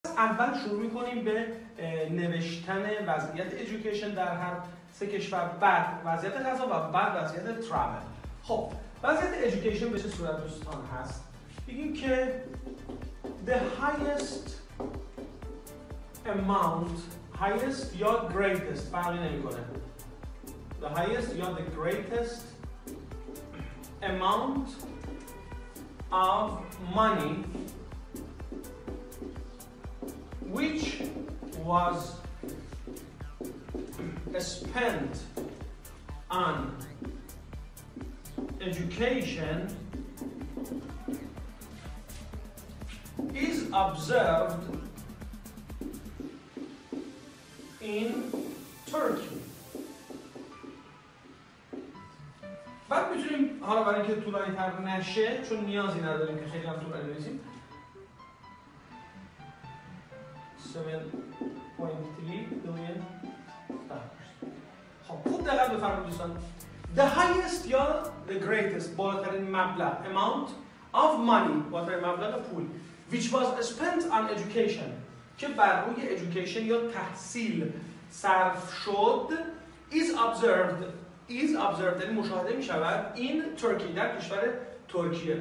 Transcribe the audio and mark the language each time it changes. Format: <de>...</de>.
<fa>اول شروع می‌کنیم به نوشتن وضعیت ایژوکیشن در هر سه کشور، بعد وضعیت غذا و بعد وضعیت ترابل. خب، وضعیت ایژوکیشن به چه صورت دوستان هست؟ بگیم که the highest یا greatest، فرقی نمی‌کنه.</fa> <en>The highest</en> <fa>یا</fa> <en>the greatest amount of money which was spent on education is observed in Turkey.</en> <fa>بعد میتونیم حالا برای اینکه طولانی تر نشه، چون نیازی نداریم که خیلی هم طولانی بنویسیم، 7.3 بیلیون دلار. خب خوب دقت بفرمایید دوستان. The highest یا the greatest، بالاترین مبلغ،</fa> <en>amount of money،</en> <fa>بالاترین مبلغ پول،</fa> <en>which was spent on education،</en> <fa>که بر روی education یا تحصیل صرف شد،</fa> <en>is observed</en> <fa>یعنی مشاهده می شود</fa> <en>in Turkey،</en> <fa>در کشور ترکیه.</fa>